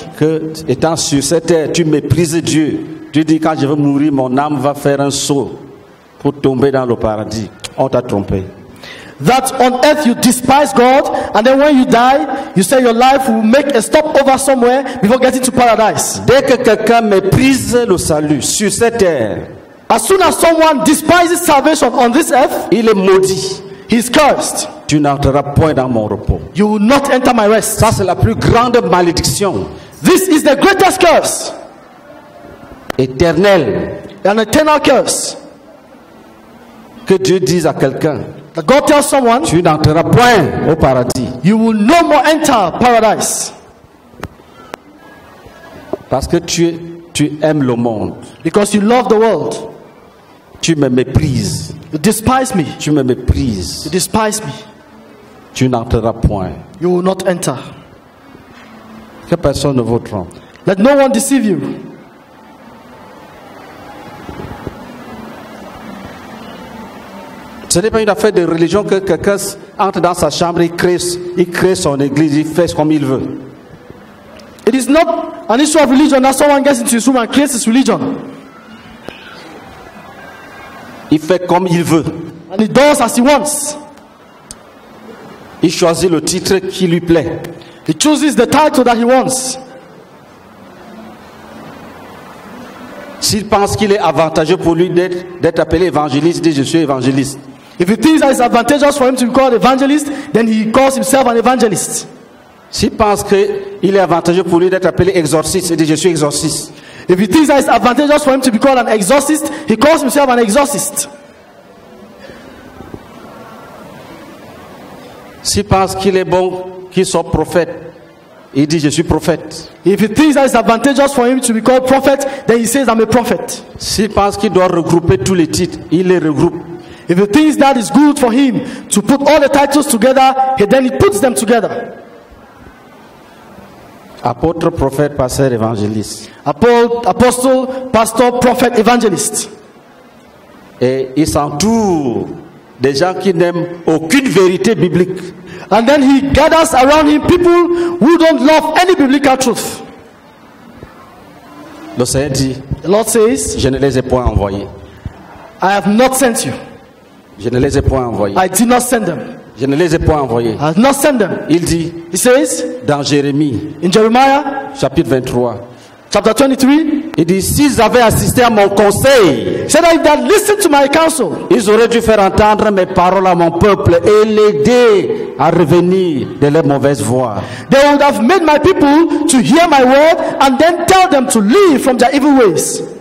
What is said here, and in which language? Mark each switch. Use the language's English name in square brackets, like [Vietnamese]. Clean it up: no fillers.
[French] Que étant sur cette terre, tu méprises Dieu. Tu dis quand je vais mourir, mon âme va faire un saut pour tomber dans le paradis. On t'a trompé. [English] That on earth you despise God, and then when you die, you say your life will make a stop over somewhere before getting to paradise. [French] Dès que quelqu'un méprise le salut sur cette terre, [English] as soon as someone despises salvation on this earth, [French] il est maudit. [English] He's cursed. [French] Tu n'entreras point dans mon repos. [English] You will not enter my rest. [French] Ça c'est la plus grande malédiction. [English] This is the greatest curse. [French] Éternel. [English] An eternal curse. [French] Que Dieu dise à quelqu'un, [English] that God tells someone, [French] tu n'entreras point au paradis. [English] You will no more enter paradise. [French] Parce que tu aimes le monde. [English] Because you love the world. [French] Tu me méprises. [English] You despise me. [French] Tu me méprises. [English] You despise me. [French] Tu n'entreras point. [English] You will not enter. [French] Que personne ne vous trompe. [English] Let no one deceive you. [French] Ce n'est pas une affaire de religion que quelqu'un entre dans sa chambre, il crée son église, il fait comme il veut. [English] It is not an issue of religion that someone gets into his room and creates his religion. [French] Il fait comme il veut. [English] And he does as he wants. [French] Il choisit le titre qui lui plaît. [English] He chooses the title that he wants. [French] S'il pense qu'il est avantageux pour lui d'être appelé évangéliste, il dit je suis évangéliste. [English] If he thinks that it's advantageous for him to be called evangelist, then he calls himself an evangelist. [French] S'il pense qu'il est avantageux pour lui d'être appelé exorciste, il dit je suis exorciste. [English] If he thinks that it's advantageous for him to be called an exorcist, he calls himself an exorcist. [French] S'il pense qu'il est bon qu'il soit prophète, il dit je suis prophète. [English] If he thinks that it's advantageous for him to be called prophet, then he says I'm a prophet. [French] S'il pense qu'il doit regrouper tous les titres, il les regroupe. [English] If he thinks that is good for him to put all the titles together, then he puts them together. [French] Apôtre, prophète, pasteur, évangéliste. [English] Apostle, pastor, prophet, evangelist. [French] Et il s'entoure des gens qui n'aiment aucune vérité biblique. [English] And then he gathers around him people who don't love any biblical truth. [French] Le Seigneur dit, [English] the Lord says, [French] je ne les ai point envoyés. [English] I have not sent you. [French] Je ne les ai point envoyés. [English] I did not send them. [French] Je ne les ai point envoyés. [English] I have not sent them. [French] Il dit. [English] He says. [French] Dans Jérémie. [English] In Jeremiah. [French] Chapitre 23. [English] Chapter 23. [French] Il dit s'ils avaient assisté à mon conseil. [English] Say that if they had listened to my counsel. [French] Ils auraient dû faire entendre mes paroles à mon peuple et l'aider à revenir de leur mauvaise voie. [English] They would have made my people to hear my word and then tell them to leave from their evil ways.